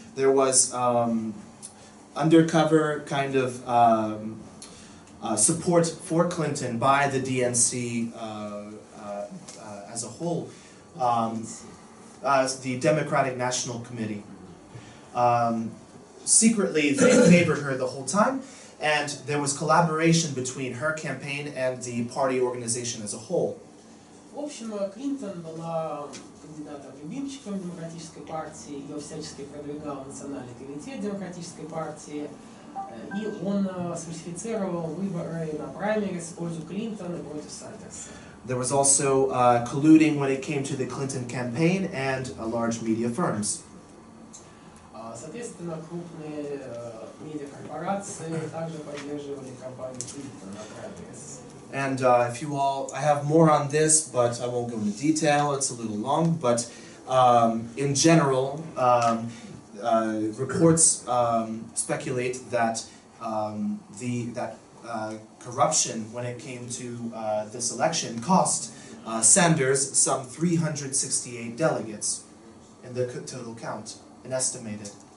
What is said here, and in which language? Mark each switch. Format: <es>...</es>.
<en>There was undercover kind of support for Clinton by the DNC as a whole, the Democratic National Committee. Secretly, they favored her the whole time, and there was collaboration between her campaign and the party organization as a whole.</en> <ru>В общем, Клинтон была кандидатом-любимчиком Демократической партии, ее всячески продвигал Национальный комитет Демократической партии, и он сфальсифицировал выборы на праймерис в пользу Клинтона и против Сандерса.</ru> <en>There was also colluding when it came to the Clinton campaign and large media firms.</en> <ru>Соответственно, крупные медиакорпорации также поддерживали кампанию Клинтона на праймерис.</ru> <en>And if you all, I have more on this, but I won't go into detail. It's a little long, but in general, reports speculate that corruption when it came to this election cost Sanders some 368 delegates in the total count, an estimated.</en>